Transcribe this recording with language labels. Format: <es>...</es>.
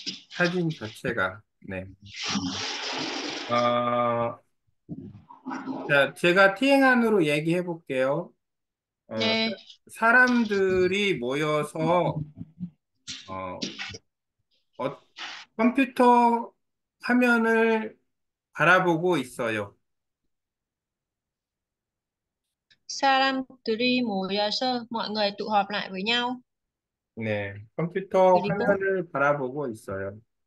<ko>사진 자체가 네. 자, 제가 티행안으로 얘기해 볼게요. 네. 사람들이 모여서 컴퓨터 화면을 바라보고 있어요. 사람들이 모여서</ko> <vi>mọi người tụ họp lại với nhau.</vi> <ko>네, 컴퓨터 그리고 화면을 바라보고 있어요.</ko>